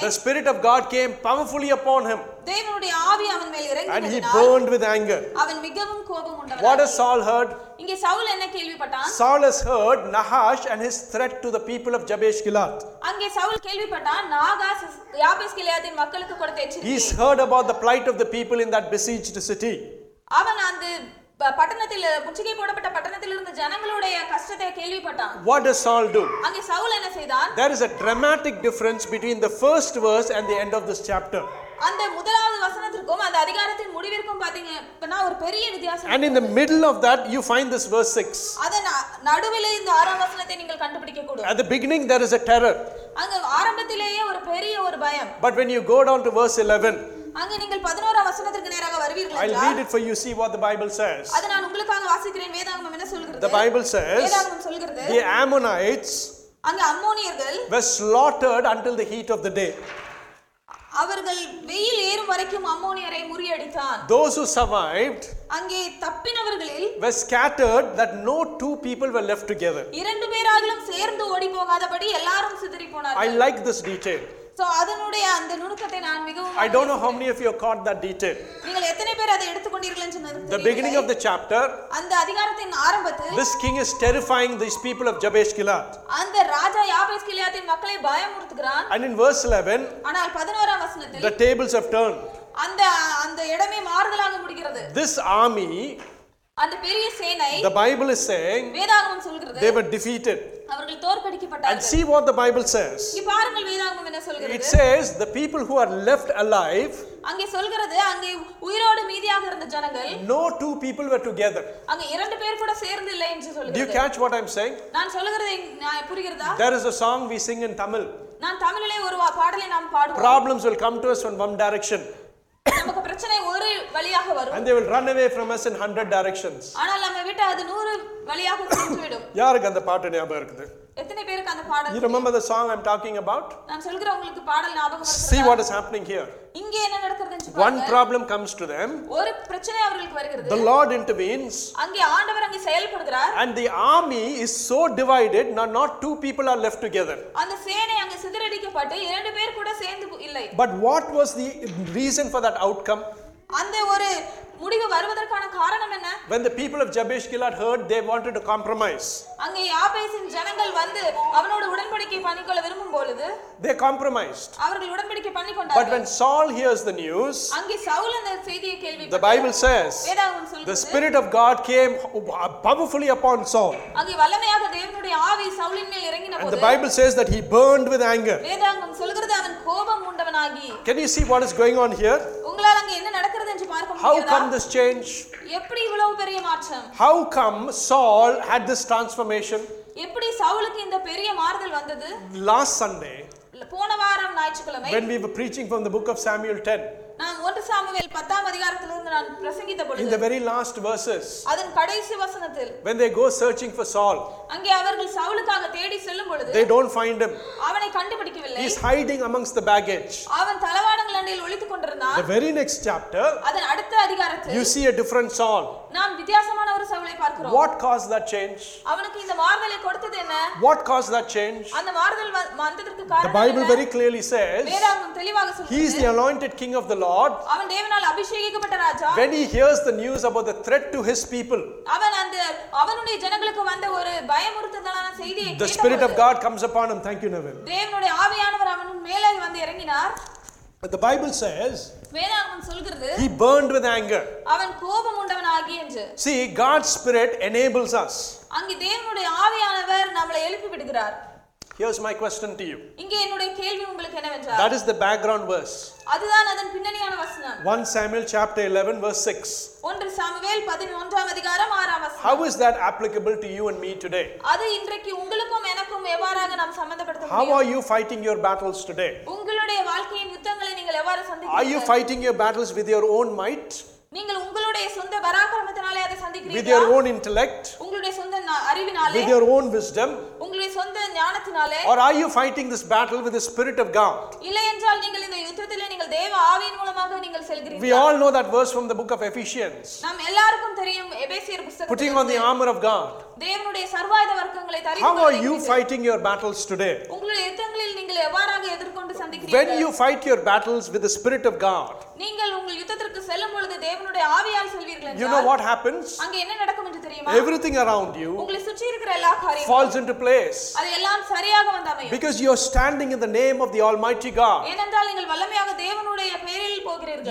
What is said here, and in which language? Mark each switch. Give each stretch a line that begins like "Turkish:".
English: the spirit of God came powerfully upon him.
Tamil: தேவனுடைய ஆவி அவன் மேல் இறங்கினதால்,
English: and he burned with anger.
Tamil: அவன் மிகவும் கோபம் உண்டவனானான்.
English: What has Saul heard?
Tamil: இங்கே சவுல் என்ன கேள்விப்பட்டான்?
English: Saul has heard Nahash and his threat to the people of Jabesh Gilead.
Tamil: அங்கே சவுல் கேள்விப்பட்டான் நாகாஷ் யாபேஸ் கிலியாத்தின் மக்களுக்கு கொடுத்த எச்சரிக்கை.
English: He's heard about the plight of the people in that besieged city.
Tamil: அவன் அந்த பட்டணத்தில் முற்றுகை போடப்பட்ட பட்டணத்தில் இருந்த ஜனங்களுடைய கஷ்டத்தை கேள்விப்பட்டான்.
English: What does Saul do?
Tamil: அங்கே சவுல் என்ன செய்தான்?
English: There is a dramatic difference between the first verse and the end of this chapter.
Tamil: அந்த முதலாவது வசனத்திற்கும் அந்த அதிகாரத்தின் முடிவிற்கும் பாத்தீங்கன்னா ஒரு பெரிய வித்தியாசம்.
English: And in the middle of that you find this verse 6.
Tamil: அதன நடுவிலே இந்த ஆறாம் வசனத்தை நீங்கள் கண்டுபிடிக்க கூடும்.
English: At the beginning there is a terror.
Tamil: அங்க ஆரம்பத்திலேயே ஒரு பெரிய ஒரு பயம்.
English: But when you go down to verse 11,
Tamil: அங்க நீங்கள் 11வது வசனத்துக்கு நேராக வருவீர்கள்.
English: I'll read it for you, see what the Bible says.
Tamil: அது நான் உங்களுக்காக வாசிக்கிறேன். வேதாகமம் என்ன சொல்கிறது?
English: The Bible says,
Tamil: வேதாகமம் சொல்கிறது,
English: the Ammonites,
Tamil: அங்க அம்மோனியர்கள்,
English: were slaughtered until the heat of the day.
Tamil: அவர்கள் வெயில் ஏறும் வரைக்கும் அம்மோனியரை முறியடித்தான்.
English: Those who survived,
Tamil: அங்கே தப்பினவர்களில்,
English: were scattered that no two people were left together.
Tamil: இரண்டு பேராகிலும் சேர்ந்து ஓடி போகாதபடி எல்லாரும் சிதறி போனார்கள்.
English: I like this detail.
Tamil: So அதனுடைய அந்த நுணுக்கத்தை நான் மிகவும்,
English: I don't know how many of you caught that detail.
Tamil: நீங்கள் எத்தனை பேர் அதை எடுத்துக்கொண்டீர்கள்னு சொன்னது.
English: The beginning of the chapter,
Tamil: அந்த அதிகாரத்தின் ஆரம்பத்தில்,
English: this king is terrifying these people of Jabesh Gilead.
Tamil: அந்த ராஜா யாபேஸ் கிலியாத்தின் மக்களை பயமுறுத்துகிறான்.
English: And in verse 11,
Tamil: ஆனால் 11வது வசனத்தில்,
English: the tables have turned.
Tamil: அந்த இடமே மாறுதலாக முடிகிறது.
English: This army,
Tamil: அந்த பெரிய சேனை,
English: the Bible is saying,
Tamil: வேதாகமம் சொல்கிறது,
English: they were defeated.
Tamil: அவர்கள் தோற்கடிக்கப்பட்டார்கள்.
English: And see what the Bible says.
Tamil: இங்கே பாருங்கள் வேதாகமம் என்ன சொல்கிறது.
English: It says the people who are left alive,
Tamil: அங்கே சொல்கிறது அங்கே உயிரோடு மீதியாக இருந்த ஜனங்கள்,
English: no two people were together.
Tamil: அங்கே இரண்டு பேர் கூட சேர்ந்து இல்லை என்று சொல்கிறது.
English: Do you catch what I'm saying?
Tamil: நான் சொல்கிறதை நான் புரிகிறதா?
English: There is a song we sing in Tamil.
Tamil: நான் தமிழிலே ஒரு பாடலை நாம் பாடுவோம்.
English: Problems will come to us from one direction.
Tamil: நமக்கு பிரச்சனை ஒரு வழியாக வரும்.
English: And they will run away from us in 100 directions.
Tamil: ஆனால் நம்ம விட்டு அது 100 வழியாக சென்றுவிடும். யாருக்கு அந்த பாட்டு ஞாபகம் இருக்குது? எத்தனை பேருக்கு அந்த பாடல்?
English: You remember the song I'm talking about?
Tamil: நான் சொல்கிற உங்களுக்கு பாடல் ஞாபகம் வருகிறது.
English: See what is happening here.
Tamil: இங்க என்ன நடக்கிறதுன்னு பாருங்க.
English: One problem comes to them.
Tamil: ஒரு பிரச்சனை அவங்களுக்கு வருகிறது.
English: The Lord intervenes.
Tamil: அங்கே ஆண்டவர் அங்கே செயல்படுகிறார்.
English: And the army is so divided, not two people are left together.
Tamil: அந்த சேனை அங்கே சிதறடிக்கப்பட்டு இரண்டு பேர் கூட சேர்ந்து இல்லை.
English: But what was the reason for that outcome?
Tamil: அந்த ஒரு முடிவு வருவதற்கான காரணம் என்ன?
English: When the people of Jabesh Gilead heard, they wanted to compromise.
Tamil: அங்கே யாபேசின் ஜனங்கள் வந்து அவனோடு உடன்படிக்கை பண்ணிக்கொள்ள விரும்பும் பொழுது,
English: they compromised.
Tamil: அவர்கள் உடன்படிக்கை பண்ணிக்கொண்டார்கள்.
English: But when Saul hears the news,
Tamil: அங்கே சவுல் அந்த செய்தியை கேள்விப்பட்டு,
English: the Bible says,
Tamil: வேதாகமம் சொல்கிறது,
English: the spirit of God came powerfully upon Saul.
Tamil: அங்கே வல்லமையாக தேவனுடைய ஆவி சவுலின் மேல் இறங்கின போது,
English: the Bible says that he burned with anger.
Tamil: வேதாகமம் சொல்கிறது அவன் கோபம் உண்டவனாகி.
English: Can you see what is going on here?
Tamil: உங்களால அங்கே என்ன நடக்கிறது என்று பார்க்க முடியுதா?
English: How come this change?
Tamil: எப்படி இவ்வளவு பெரிய மாற்றம்?
English: How come Saul had this transformation?
Tamil: எப்படி சவுலுக்கு இந்த பெரிய மாறுதல் வந்தது?
English: Last Sunday,
Tamil: போன வாரம் ஞாயிற்றுக்கிழமை,
English: when we were preaching from the book of Samuel 10,
Tamil: நான் 1 சாமுவேல் 10ஆம் அதிகாரத்திலிருந்து நான் பிரசங்கித்த பொழுது,
English: in the very last verses,
Tamil: அதன் கடைசி வசனத்தில்,
English: when they go searching for Saul,
Tamil: அங்கே அவர்கள் சவுலுக்காக தேடி செல்லும் பொழுது,
English: they don't find him.
Tamil: அவனை கண்டுபிடிக்கவில்லை.
English: He is hiding amongst the baggage.
Tamil: அவன் தளவாடங்கள் அண்டையில் ஒளித்துக் கொண்டிருந்தான்.
English: The very next chapter,
Tamil: அதன் அடுத்த அதிகாரத்தில்,
English: you see a different Saul.
Tamil: நாம் வித்தியாசமான ஒரு சவுலை பார்க்கிறோம்.
English: What caused that change?
Tamil: அவனுக்கு இந்த மாறுதலை கொடுத்தது என்ன?
English: What caused that change?
Tamil: அந்த மாறுதல் வந்ததற்கு காரணம்,
English: the Bible very clearly says,
Tamil: வேதாகமம் தெளிவாக சொல்கிறது,
English: he is the anointed king of the Lord.
Tamil: அவன் தேவனால் அபிஷேகிக்கப்பட்ட ராஜா.
English: When he hears the news about the threat to his people,
Tamil: அவன் அந்த அவனுடைய ஜனங்களுக்கு வந்த ஒரு பயமுறுத்தலான செய்தியை கேட்டபோது,
English: the spirit of God comes upon him. Thank you, Neville.
Tamil: தேவனுடைய ஆவியானவர் அவன் மேலே வந்து இறங்கினார்.
English: The Bible says,
Tamil: வேதாகமம் சொல்கிறது,
English: he burned with anger.
Tamil: அவன் கோபம் உண்டவனாகி என்று.
English: See, God's spirit enables us.
Tamil: அங்கே தேவனுடைய ஆவியானவர் நம்மளை எழுப்பி விடுகிறார்.
English: Here's my question to you.
Tamil: இங்கே என்னுடைய கேள்வி உங்களுக்கு என்னவென்றால்
English: That is the background verse.
Tamil: அதுதான் அதன் பின்னணியான வசனம்.
English: 1 Samuel chapter 11 verse 6.
Tamil: 1 சாமுவேல் 11 அதிகாரம் 6 வசனம்.
English: How is that applicable to you and me today?
Tamil: அது இன்றைக்கு உங்களுக்கும் எனக்கும் எவ்வாறாக நாம் சம்பந்தப்படுத்த முடியும்?
English: How are you fighting your battles today?
Tamil: உங்களுடைய வாழ்க்கையின் யுத்தங்களை நீங்கள் எவ்வாறு சந்திக்கிறீர்கள்?
English: Are you fighting your battles with your own might?
Tamil: நீங்கள் உங்களுடைய சொந்த பராக்கிரமத்தினாலே அதை சந்திக்கிறீர்களா?
English: With your own intellect?
Tamil: உங்களுடைய சொந்த அறிவினாலே?
English: With your own wisdom?
Tamil: உங்களுடைய சொந்த ஞானத்தினாலே?
English: Or are you fighting this battle with the spirit of God?
Tamil: இல்லை என்றால் நீங்கள் இந்த யுத்தத்திலே நீங்கள் தேவ ஆவியின் மூலமாக நீங்கள் செல்கிறீர்களா?
English: We all know that verse from the book of Ephesians.
Tamil: நாம் எல்லாருக்கும் தெரியும் எபேசியர் புத்தகத்தில்
English: Putting on the armor of God.
Tamil: தேவனுடைய சர்வாயுத வர்க்கங்களை தரித்து
English: How are you fighting your battles today?
Tamil: உங்களுடைய யுத்தங்களில் நீங்கள் எவ்வாறாக எதிர்கொண்டு சந்திக்கிறீர்கள்?
English: When you fight your battles with the spirit of God.
Tamil: நீங்கள் உங்கள் யுத்தத்திற்கு செல்லும் பொழுது தேவனுடைய ஆவியால் செல்வீர்கள்.
English: You know what happens?
Tamil: அங்க என்ன நடக்கும் என்று தெரியுமா?
English: Everything around you.
Tamil: உங்களை சுற்றி இருக்கிற எல்லா காரியமும்
English: falls into place.
Tamil: அது எல்லாம் சரியாக வந்தமையும்.
English: Because you are standing in the name of the Almighty God.
Tamil: ஏனென்றால் நீங்கள் வல்லமையாக தேவனுடைய பெயரில் போகிறீர்கள்.